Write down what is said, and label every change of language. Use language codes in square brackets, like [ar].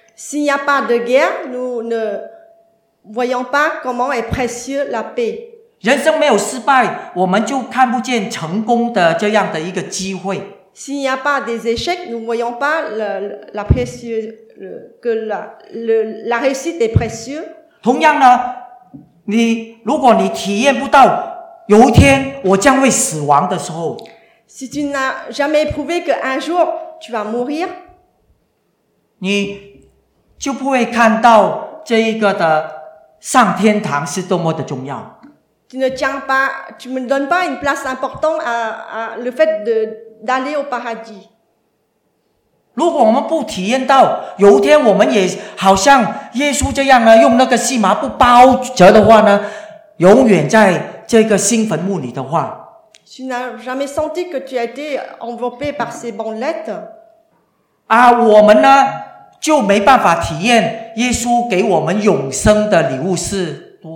[fr] S'il n'y a pas de guerre, nous ne voyons pas comment est précieux la paix. [zh] 人生没有失败，我们就看不见成功的这样的一个机会。 [fr] S'il n'y a pas des échecs, nous voyons pas la précieuse que la réussite est précieuse. [zh] 同样呢，如果你体验不到有一天我将会死亡的时候 [fr] ，Si tu n'as jamais éprouvé que un jour tu vas mourir, [zh] 你就不会看到这一个的上天堂是多么的重要。 [fr] Tu ne donnes pas une place importante à le fait d'aller au paradis. [zh] 如果我们不体验到有一天我们也好像耶稣这样呢，用那个细麻布包着的话呢，永远在这个新坟墓里的话。 [fr] Tu n'as jamais senti que tu as été enveloppé par ces bandelettes. [zh] 啊，我们呢就没办法体验耶稣给我们永生的礼物是。